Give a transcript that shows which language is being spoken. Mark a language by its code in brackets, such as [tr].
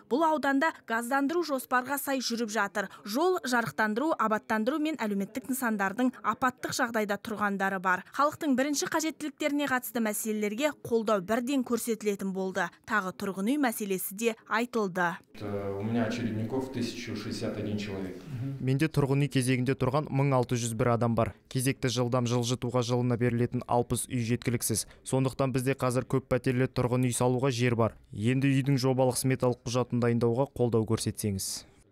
[kk] Бұл ауданда газдандыру жоспарға сай жүріп жатыр. Жол жарықтандыру, абаттандыру мен әлеуметтік нысандардың апаттық жағдайда тұрғандары бар. Халықтың бірінші қажеттіліктеріне қатысты мәселелерге қолдау бірден көрсетілетін болды. Тағы тұрғын үй мәселесі де айтылды. [ru] У меня очередников 1061 человек. [kk] Менде тұрғын үй кезегінде тұрған 1601 адам бар. Кезекті жылдам жылжытуға жылына берілетін 60 үй жеткіліксіз. Сондықтан бізде қазір көп пәтерлі тұрғын үй салуға жер бар. Енді үйдің жобалық сметалық құжатын дайындауға қолдау көрсетсеңіз.